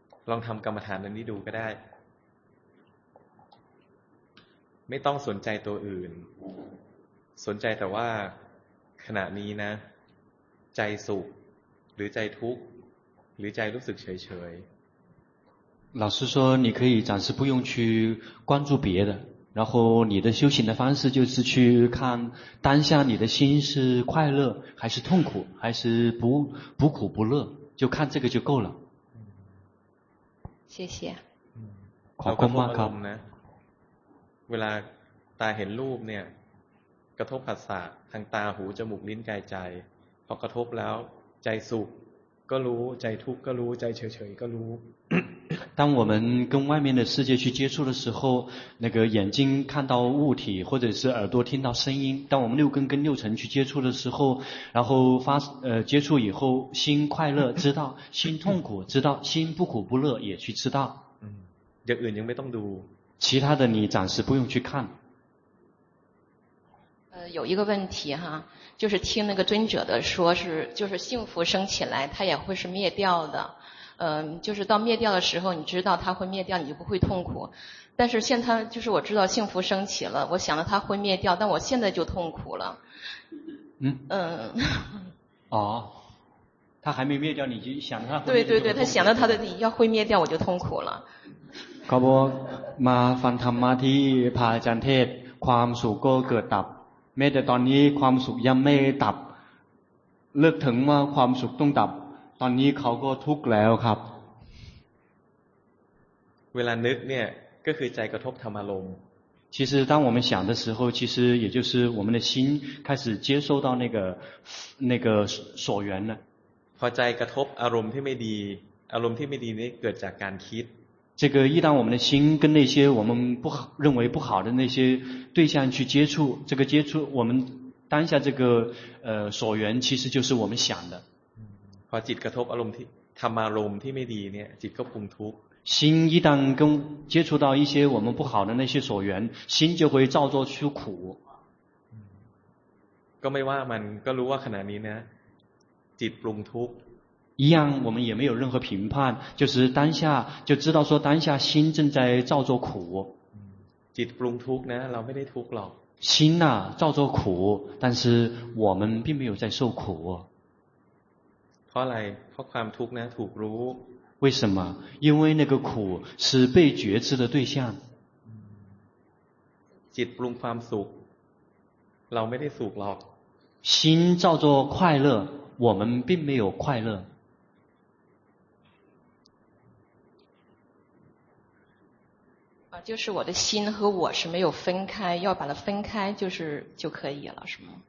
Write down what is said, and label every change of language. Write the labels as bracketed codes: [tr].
[th] ลองทำกรรมฐานอันนี้ดูก็ได้ไม่ต้องสนใจตัวอื่นสนใจแต่ว่าขณะนี้นะใจสุขหรือใจทุกข์หรือใจรู้สึกเฉย [zh] ๆ老师说你可以暂时不用去关注别的然后你的修行的方式就是去看当下你的心是快乐还是痛苦还是 不苦不乐就看这个就够了谢谢 [th] ขอบคุณมากครับ เวลาตาเห็นรูปเนี่ยกระทบผัสสะทางตาหูจมูกลิ้นกายใจพอกระทบแล้วใจสุขก็รู้ใจทุกข์ก็รู้ใจเฉยๆก็รู้ [zh] 当我们跟外面的世界去接触的时候那个眼睛看到物体或者是耳朵听到声音当我们六根跟六尘去接触的时候然后接触以后心快乐知道心痛苦知道心不苦不乐也去知道 [th] อย่างอื่นยังไม่ต้องดู [zh] 其他的你暂时不用去看有一个问题哈，就是听那个尊者的说是，就是幸福升起来，它也会是灭掉的。就是到灭掉的时候，你知道它会灭掉，你就不会痛苦。但是现在就是我知道幸福升起了，我想着它会灭掉，但我现在就痛苦了。嗯。哦，它还没灭掉，你就想着它会灭掉。对对对，他想着它的要会灭掉，我就痛苦了。 [th] ครับผมมาฟังธรรมะที่พระอาจารย์เทศความสุขก็เกิดดับแม้แต่ตอนนี้ความสุขยังไม่ดับเลือกถึงว่าความสุขต้องดับตอนนี้เขาก็ทุกข์แล้วครับ เวลานึกเนี่ยก็คือใจกระทบธรรมารมณ์ [zh] 其实当我们想的时候其实也就是我们的心开始接受到那个所缘了 [th] พอใจกระทบอารมณ์ที่ไม่ดีอารมณ์ที่ไม่ดีนี่เกิดจากการคิด [zh] 这个一旦我们的心跟那些我们不好认为不好的那些对象去接触这个接触我们当下这个所缘其实就是我们想的 [th] พอจิตกระทบอารมณ์ที่ธรรมารมณ์ที่ไม่ดีเนี่ยจิตก็คุมทุกข์ [zh] 心一旦跟接触到一些我们不好的那些所缘心就会造作出苦 [th] ก็ไม่ว่ามันก็รู้ว่าขณะนี้นะจิตปรุงทุกข์ [zh] 一样我们也没有任何评判就是当下就知道说当下心正在造作苦 [th] จิตปรุงทุกข์นะเราไม่ได้ทุกข์หรอก [zh] 心呐造作苦但是我们并没有在受苦 [th] เพราะอะไรเพราะความทุกข์นะถูกรู้ [zh] 为什么因为那个苦是被觉知的对象 [th] จิตปรุงความสุขเราไม่ได้สุขหรอก [zh] 心造作快乐我们并没有快乐就是我的心和我是没有分开要把它分开就可以了是吗